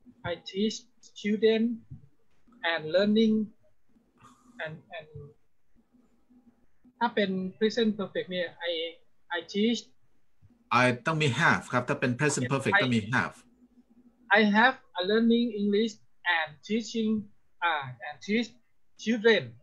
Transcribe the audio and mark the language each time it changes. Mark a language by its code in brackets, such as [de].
[en] I teach student and learning and [th] ถ้าเป็น present perfect เนี่ย [en] I teach [th] I ต้องมี have ครับถ้าเป็น present perfect ต้องมี have [en] I have a learning English and teaching and teach children.